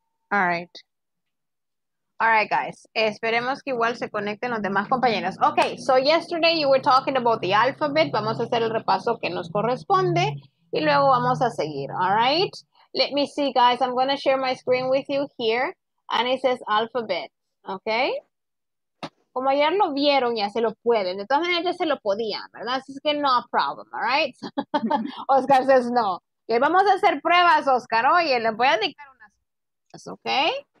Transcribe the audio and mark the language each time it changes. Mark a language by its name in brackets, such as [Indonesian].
[English] All right. All right, guys. [Spanish] Esperemos que igual se conecten los demás compañeros. [English] Okay, so yesterday you were talking about the alphabet. [Spanish] Vamos a hacer el repaso que nos corresponde y luego vamos a seguir. [English] All right? Let me see, guys. I'm going to share my screen with you here. And it says alphabet. Okay? [Spanish] Como ayer lo vieron, ya se lo pueden. De todas maneras, ya se lo podían, ¿verdad? Así que [English] no problem, all right? Oscar says no. [Spanish] Okay, vamos a hacer pruebas, Oscar. Oye, le voy a dictar unas pruebas, okay?